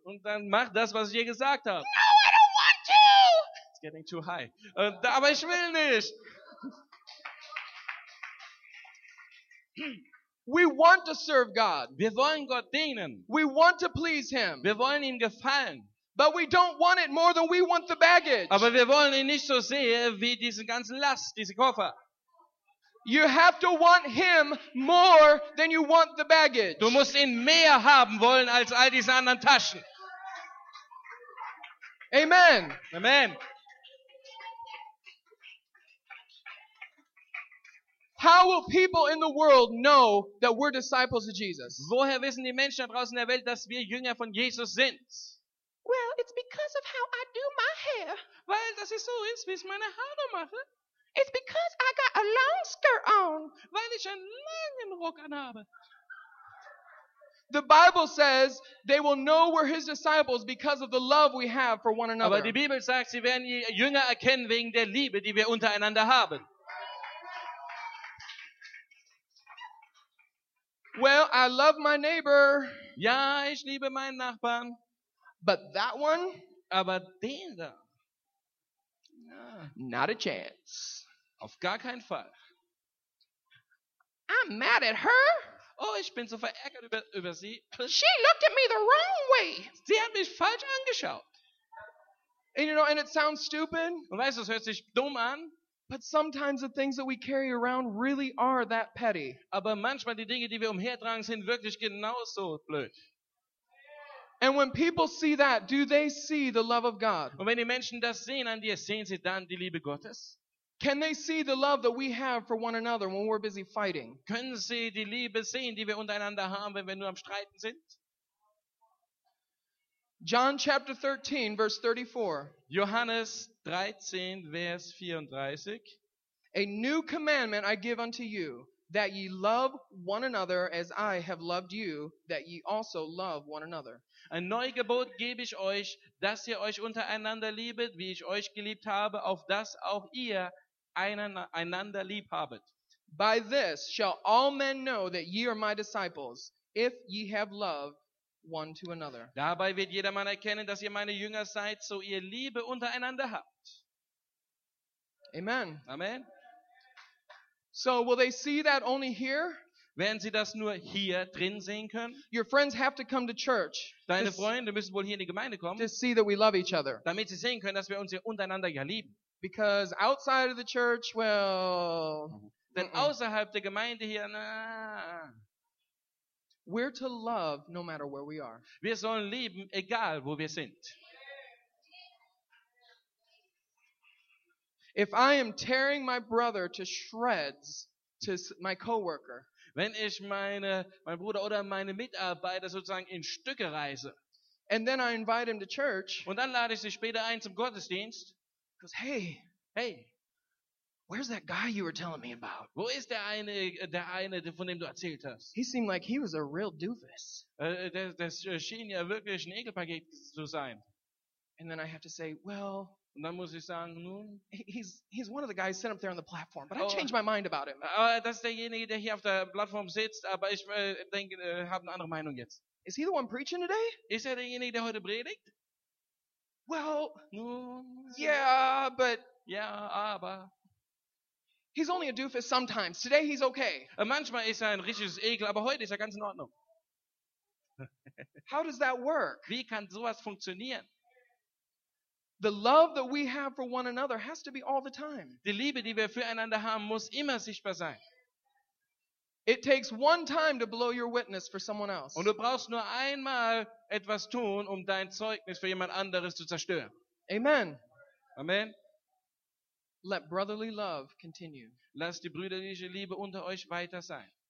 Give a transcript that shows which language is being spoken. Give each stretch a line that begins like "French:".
German: Und dann mach das, was ich dir gesagt habe.
English: No, I don't want to. It's getting too high.
German: Aber ich will nicht.
English: We want to serve God.
German: Wir wollen Gott dienen.
English: We want to please Him.
German: Wir wollen ihm gefallen.
English: But we don't want it more than we want the baggage.
German: Aber wir wollen ihn nicht so sehr wie diese ganze Last, diese Koffer.
English: You have to want Him more than you want the baggage.
German: Du musst ihn mehr haben wollen als all diese anderen Taschen.
English: Amen.
German: Amen.
English: How will people in the world know that we're disciples of Jesus?
German: Woher wissen die Menschen draußen in der Welt, dass wir Jünger von Jesus sind?
English: Well, it's because of how I do my hair.
German: Weil das ist so ist, wie ich meine Haare mache.
English: It's because I got a long skirt on.
German: Weil ich einen langen Rock anhabe.
English: The Bible says they will know we're His disciples because of the love we have for one another.
German: Aber die Bibel sagt, sie werden die Jünger erkennen wegen der Liebe, die wir untereinander haben.
English: Well, I love my neighbor.
German: Ja, ich liebe meinen Nachbarn.
English: But that one?
German: Aber den da?
English: Not a chance.
German: Auf gar keinen Fall.
English: I'm mad at her.
German: Oh, ich bin so verärgert über sie.
English: She looked at me the wrong way.
German: Sie hat mich falsch angeschaut.
English: And you know, and it sounds stupid.
German: Und weißt du, es hört sich dumm an.
English: But sometimes the things that we carry around really are that petty.
German: Aber manchmal die Dinge, die wir umhertragen, sind wirklich genauso blöd.
English: And when people see that, do they see the love of God?
German: Und wenn die Menschen das sehen an dir, sehen sie dann die Liebe Gottes?
English: Can they see the love that we have for one another when we're busy fighting?
German: Können sie die Liebe sehen, die wir untereinander haben, wenn wir nur am Streiten sind?
English: John chapter 13, verse 34.
German: Johannes 13, Vers 34.
English: A new commandment I give unto you, that ye love one another as I have loved you, that ye also love one another.
German: Ein neues Gebot gebe ich euch, dass ihr euch untereinander liebet, wie ich euch geliebt habe, auf dass auch ihr einander lieb habet.
English: By this shall all men know that ye are my disciples, if ye have love one to another.
German: Dabei wird jedermann erkennen, dass ihr meine Jünger seid, so ihr Liebe untereinander habt.
English: Amen.
German: Amen.
English: So will they see that only here?
German: Werden sie das nur hier drin sehen können?
English: Your friends have to come to church.
German: Deine Freunde müssen wohl hier in die Gemeinde kommen.
English: To see that we love each other.
German: Damit sie sehen können, dass wir uns hier untereinander ja lieben.
English: Because outside of the church, well,
German: denn außerhalb der Gemeinde hier, na.
English: We're to love no matter where we are.
German: Wir sollen lieben, egal wo wir sind.
English: If I am tearing my brother to shreds to my coworker,
German: wenn ich mein Bruder oder meine Mitarbeiter sozusagen in Stücke reiße,
English: and then I invite him to church,
German: und dann lade ich sie später ein zum Gottesdienst,
English: goes, hey, where's that guy you were telling me about?
German: Wo ist der eine, von dem du erzählt hast?
English: He seemed like he was a real doofus.
German: Der schien ja wirklich ein Ekelpaket zu sein.
English: And then I have to say, well.
German: Und dann muss ich sagen, nun.
English: He's one of the guys sitting up there on the platform, but I changed my mind about him.
German: Das ist derjenige, der hier auf der Plattform sitzt, aber ich denke, habe eine andere Meinung jetzt.
English: Is he the one preaching today?
German: Ist er derjenige, der heute predigt?
English: Well.
German: Nun. Ja, aber.
English: He's only a doofus sometimes. Today he's okay.
German: Manchmal ist er ein richtiges Ekel, aber heute ist er ganz in Ordnung.
English: How does that work?
German: Wie kann sowas funktionieren?
English: The love that we have for one another has to be all the time.
German: Die Liebe, die wir füreinander haben, muss immer sichtbar sein.
English: It takes one time to blow your witness for someone else.
German: Und du brauchst nur einmal etwas tun, um dein Zeugnis für jemand anderes zu zerstören.
English: Amen.
German: Amen.
English: Let brotherly love continue.
German: Lass die brüderliche Liebe unter euch weiter sein.